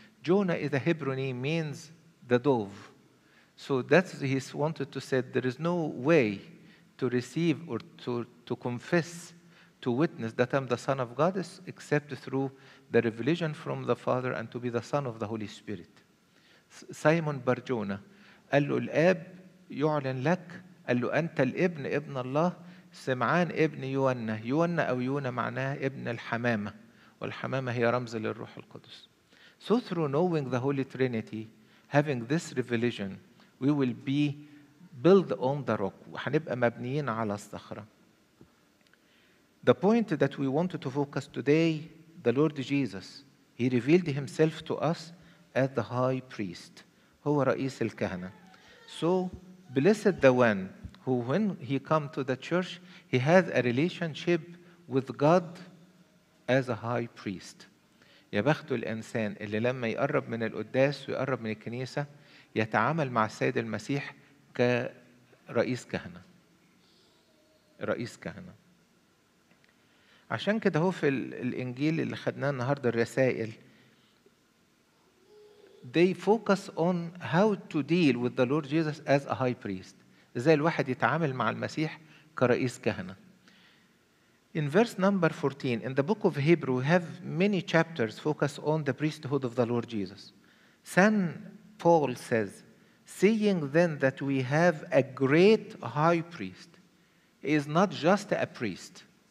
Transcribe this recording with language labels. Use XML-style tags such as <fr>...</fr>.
<en>Jonah is a Hebrew name, means the dove. So that's he wanted to say, there is no way to receive or to confess, to witness that I'm the Son of God except through the revelation from the Father and to be the Son of the Holy Spirit.</en> <ar>Simon Bar-Jonah, قال له الآب يعلن لك، قال له أنت الابن ابن الله، سمعان ابن يوانا، يوانا أو يونا معناه ابن الحمامة، والحمامة هي رمز للروح القدس.</ar> <en>So through knowing the Holy Trinity, having this revelation, we will be built on the rock،</en> <ar>وحنبقى مبنيين على الصخرة.</ar> <en>The point that we wanted to focus today, the Lord Jesus, he revealed himself to us as the high priest،</en> <ar>هو رئيس الكهنة.</ar> <en>So blessed the one who, when he come to the church, he has a relationship with God as a high priest.</en> <ar>يا بخت الإنسان اللي لما يقرب من القداس ويقرب من الكنيسة يتعامل مع السيد المسيح كرئيس كهنة. رئيس كهنة. عشان كده هو في الإنجيل اللي خدناه النهاردة الرسائل.</ar> <en>They focus on how to deal with the Lord Jesus as a high priest.</en> <ar>إزاي الواحد يتعامل مع المسيح كرئيس كهنة.</ar> <en>In verse number 14, in the book of Hebrew, we have many chapters focus on the priesthood of the Lord Jesus. Saint Paul says, seeing then that we have a great high priest, he is not just a priest.</en>